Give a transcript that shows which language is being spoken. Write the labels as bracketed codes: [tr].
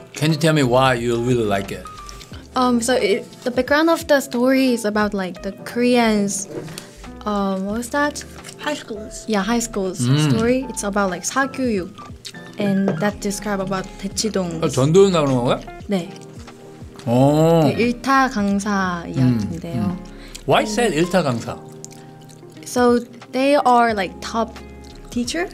[en] Can you tell me why you really like it? The background of the story is about like the Koreans, what was that? High schools. Yeah, high schools story. It's about like 사교육, and that describe about 대치동. [ko] 전도연 나오는 건가? 네. 오. 그 일타 강사 이야기인데요. [en] Why said 일타 강사? So they are like top teacher.